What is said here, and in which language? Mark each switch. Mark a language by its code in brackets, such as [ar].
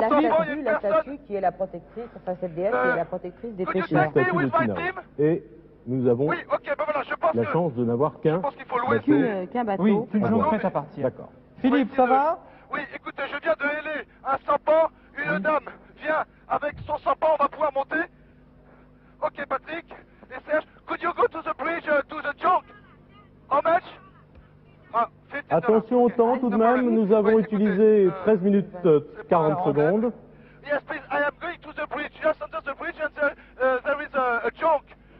[fr] la statue qui est la protectrice, enfin cette déesse qui est la protectrice des pêcheurs. La statue de Tina. Et nous avons la chance de n'avoir qu'un bateau. Oui, une jonque prête à partir. D'accord. Philippe, ça va? Oui, écoutez, je viens de héler un sampan. Une dame vient avec son sampan, on va pouvoir monter. [en] Ok, Patrick et Serge, could you go to the bridge, to the jonque? How much? [fr] Attention au temps tout de même, nous avons utilisé 13 minutes 40 secondes. [en] Yes, please, I am going to the bridge, just under the bridge, and there is a jonque.